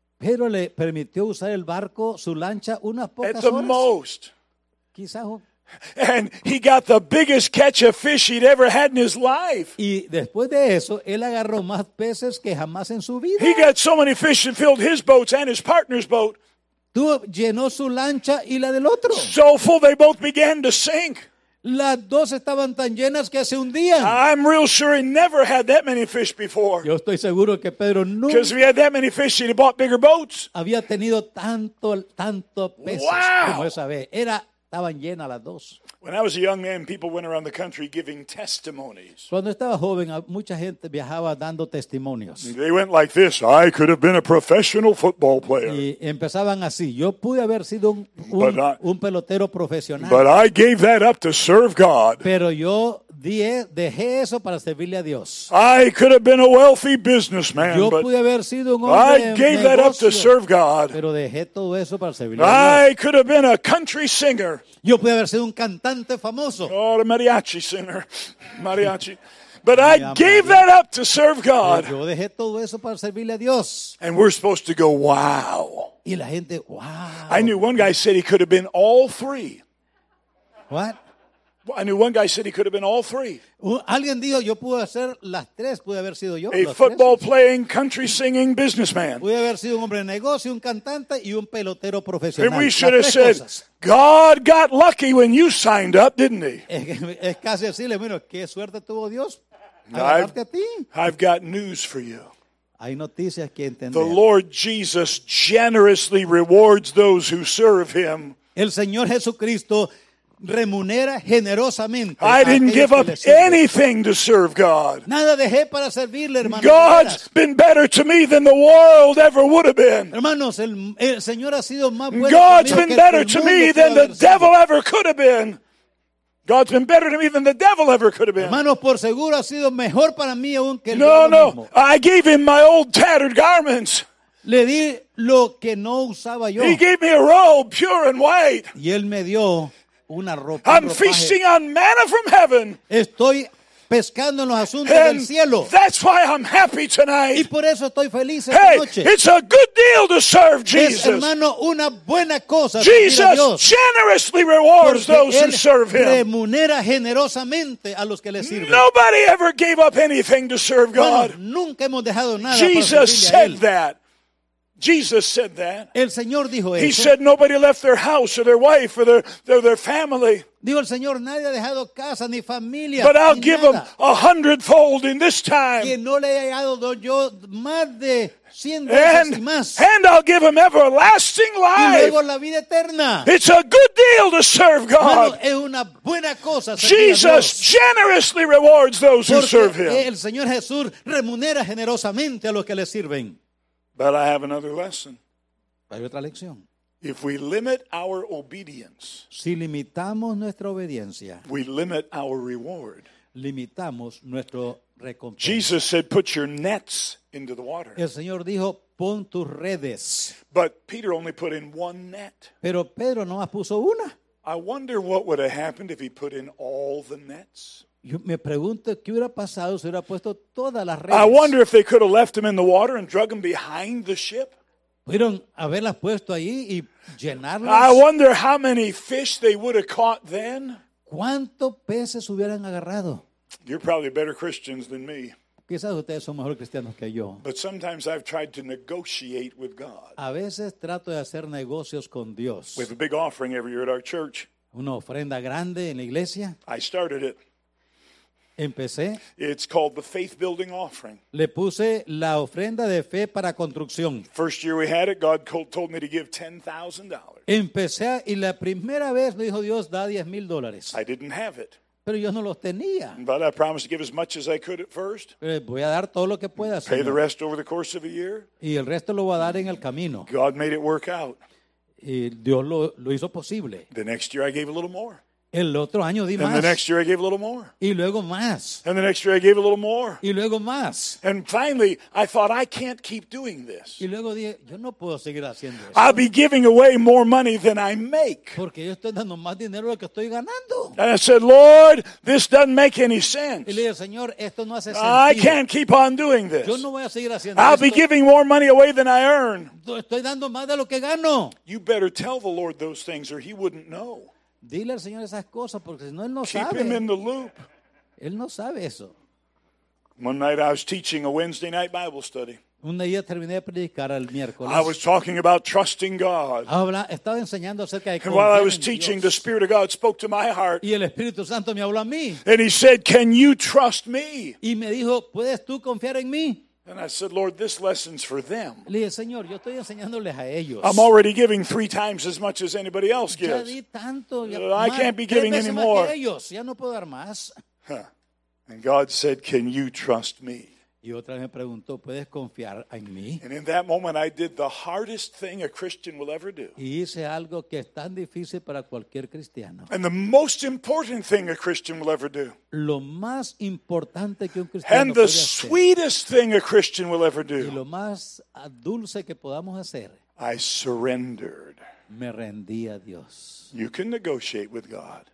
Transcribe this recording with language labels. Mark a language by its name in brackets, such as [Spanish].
[Spanish] Pedro le permitió usar el barco, su lancha, unas pocas [English] At the [Spanish] horas. [English] Most. [Spanish] Quizás. [English] And he got the biggest catch of fish he'd ever had in his life. [Spanish] Y después de eso, él agarró más peces que jamás en su vida. [English] He got so many fish and filled his boats and his partner's boat. [Spanish] Llenó su lancha y la del otro. [English] So full they both began to sink. [Spanish] Las dos estaban tan llenas que se hundían. [English] I'm real sure he never had that many fish before. [Spanish] Yo estoy seguro que Pedro nunca. [English] Because if he had that many fish, he'd have bought bigger boats. [Spanish] Había tenido tanto peces como esa vez. Estaban llenas las dos. [English] When I was a young man, people went around the country giving testimonies. [Spanish] Cuando estaba joven, mucha gente viajaba dando testimonios. [English] They went like this: I could have been a professional football player. [Spanish] Y empezaban así: yo pude haber sido un pelotero profesional. [English] But I gave that up to serve God. [Spanish] Pero yo dejé eso para servirle a Dios. [English] I could have been a wealthy businessman. [Spanish] Yo [English] but [Spanish] pude haber sido un hombre [English] I gave that up to serve God. [Spanish] Pero dejé todo eso para servirle [English] I [Spanish] a Dios. [English] I could have been a country singer. [Spanish] Yo pude haber sido un cantante famoso. [English] Or a mariachi singer. Mariachi. But I gave that up to serve God. [Spanish] Yo dejé todo eso para servirle a Dios. [English] And we're supposed to go, wow. [Spanish] Y la gente, wow. [English] I knew one guy said he could have been all three. What? I knew one guy said he could have been all three. [Spanish] Alguien dijo yo pude hacer las tres, pude haber sido yo. [English] A football playing, country singing businessman. [Spanish] Pude haber sido un hombre de negocio, un cantante y un pelotero profesional. [English] And we should have said, God got lucky when you signed up, didn't he? [Spanish] Es casi así, le miro, qué suerte tuvo Dios. [English] I've got news for you. [Spanish] Hay noticias que entender. [English] The Lord Jesus generously rewards those who serve him. [Spanish] El Señor Jesucristo remunera generosamente. [English] I didn't give up anything to serve God. [Spanish] Nada dejé para servirle, hermano. [English] God's been better to me than the world ever would have been. [Spanish] Hermanos, el Señor ha sido más bueno. [English] God's been better to me than the devil ever could have been. God's been better to me than the devil ever could have been. [Spanish] Hermanos, por seguro ha sido mejor para mí aún que el diablo mismo. [English] No, I gave him my old tattered garments. [Spanish] Le di lo que no usaba yo. [English] He gave me a robe pure and white. [Spanish] Y él me dio una ropa. [English] I'm feasting on manna from heaven. [Spanish] Estoy pescando en los asuntos del cielo. [English] That's why I'm happy tonight. [Spanish] Y por eso estoy feliz esta noche. [English] It's a good deal to serve Jesus. [Spanish] Es, hermano, una buena cosa. [English] Jesus generously rewards those who serve him. [Spanish] Remunera generosamente a los que le sirven. [English] Nobody ever gave up anything to serve God. [Spanish] Bueno, nunca hemos dejado nada. [English] Jesus said that. Jesus said that. [Spanish] El Señor dijo eso. [English] He said nobody left their house or their wife or their family. [Spanish] Dijo el Señor, nadie ha dejado casa ni familia. [English] But I'll [Spanish] ni [English] give [Spanish] nada. [English] Them a hundredfold in this time. [Spanish] Que no le haya dado yo más de 100 veces y más. [English] And I'll give them everlasting life. [Spanish] Y luego la vida eterna. [English] It's a good deal to serve God. [Spanish] Bueno, es una buena cosa. [English] Jesus generously rewards those [Spanish] porque [English] who serve him. [Spanish] El Señor Jesús remunera generosamente a los que le sirven. [English] But I have another lesson. [Spanish] Hay otra lección. [English] If we limit our obedience, [Spanish] si limitamos nuestra obediencia, [English] we limit our reward. [Spanish] Limitamos nuestro recompensa. [English] Jesus said, "Put your nets into the water." [Spanish] El Señor dijo, "Pon tus redes." [English] But Peter only put in one net. [Spanish] Pero Pedro no más puso una. [English] I wonder what would have happened if he put in all the nets. [Spanish] Yo me pregunto qué hubiera pasado si hubiera puesto todas las redes. [English] I wonder if they could have left him in the water and drug him behind the ship. [Spanish] Pudieron haberlas puesto ahí y llenarlas. [English] I wonder how many fish they would have caught then. [Spanish] ¿Cuántos peces hubieran agarrado? [English] You're probably better Christians than me. [Spanish] Quizás ustedes son mejores cristianos que yo. [English] But sometimes I've tried to negotiate with God. [Spanish] A veces trato de hacer negocios con Dios. [English] We have a big offering every year at our church. [Spanish] Una ofrenda grande en la iglesia. [English] I started it. [Spanish] Empecé. [English] It's called the faith building offering. [Spanish] Le puse la ofrenda de fe para construcción. [English] First year we had it, God told me to give $10,000. [Spanish] Empecé y la primera vez me dijo Dios da $10,000. [English] I didn't have it. [Spanish] Pero yo no los tenía. [English] But I promised to give as much as I could at first. [Spanish] Voy a dar todo lo que pueda. [English] Pay the rest over the course of a year. [Spanish] Y el resto lo voy a dar en el camino. [English] God made it work out. [Spanish] Y Dios lo hizo posible. [English] The next year I gave a little more. [Spanish] El otro año di [English] and [Spanish] más. [English] The next year I gave a little more. [Spanish] Y luego más. [English] And the next year I gave a little more. [Spanish] Y luego más. [English] And finally, I thought, I can't keep doing this. [Spanish] Y luego dije, yo no puedo seguir haciendo esto. [English] I'll be giving away more money than I make. [Spanish] Porque yo estoy dando más dinero de lo que estoy ganando. [English] And I said, Lord, this doesn't make any sense. [Spanish] Y le dije, Señor, esto no hace sentido. [English] I can't keep on doing this. [Spanish] Yo no voy a seguir haciendo [English] I'll [Spanish] esto. [English] I'll be giving more money away than I earn. [Spanish] Estoy dando más de lo que gano. [English] You better tell the Lord those things or he wouldn't know. [Spanish] Dile al Señor esas cosas porque si no él no [English] Keep [Spanish] sabe. [English] Him in the loop. [Spanish] Él no sabe eso. [English] One night I was teaching a Wednesday night Bible study. [Spanish] Un día terminé de predicar el miércoles. [English] I was talking about trusting God. [Spanish] Estaba enseñando acerca de confiar en Dios. [English] And while I was teaching, the Spirit of God spoke to my heart. [Spanish] Y el Espíritu Santo me habló a mí. [English] And he said, "Can you trust me?" [Spanish] Y me dijo, "¿Puedes tú confiar en mí?" [English] And I said, Lord, this lesson's for them. [Spanish] Le dije, Señor, yo estoy enseñándoles a ellos. [English] I'm already giving three times as much as anybody else gives. [Spanish] Ya di tanto, ya, [English] I can't be giving anymore. [Spanish] Ellos. Ya no puedo dar más. [English] And God said, can you trust me? [Spanish] Y otra vez me preguntó, ¿puedes confiar en mí? [English] And in that moment, I did the hardest thing a Christian will ever do. [Spanish] Y hice algo que es tan difícil para cualquier cristiano. [English] And the most important thing a Christian will ever do. [Spanish] Lo más importante que un cristiano puede hacer. [English] And the sweetest thing a Christian will ever do. [Spanish] Y lo más dulce que podamos hacer. [English] I surrendered. [Spanish] Me rendí a Dios. [English] You can negotiate with God.